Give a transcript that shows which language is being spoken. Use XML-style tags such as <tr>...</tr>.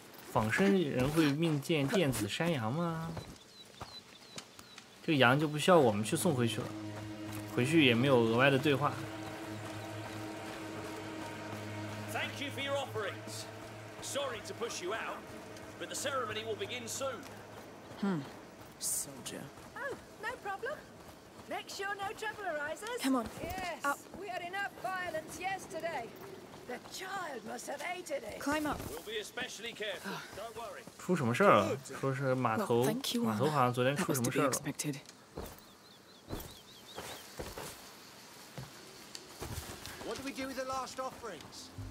<zh>仿生人会梦见电子山羊吗？这个羊就不需要我们去送回去了，回去也没有额外的对话。</zh> <en>Thank you for your offerings. Sorry to push you out, but the ceremony will begin soon. Soldier. Oh, no problem. Make sure no trouble arises. Come on. Yes, we had enough violence yesterday. The child must have hated it. Climb up. We'll be especially careful. Don't worry.</en> <zh>出什么事儿了？说是码头，码头好像昨天出什么事了。</zh> <en>What do we do with the last offerings?</en>